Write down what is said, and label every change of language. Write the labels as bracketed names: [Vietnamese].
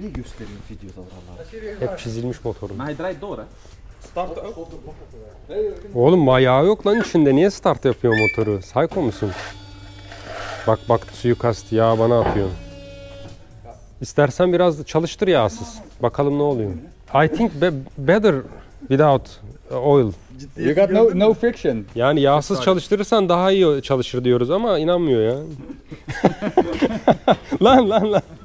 [Turkish] Niye gösteriyorum videoda oralar? Hep çizilmiş motorum. Start. Oğlum bayağı yok lan içinde. Niye start yapıyor motoru? Psycho musun? Bak suikast yağ bana atıyor. İstersen biraz çalıştır yağsız. Bakalım ne oluyor. [English] I think better without oil. You got no friction. [Turkish] Yani yağsız çalıştırırsan daha iyi çalışır diyoruz ama inanmıyor ya. lan.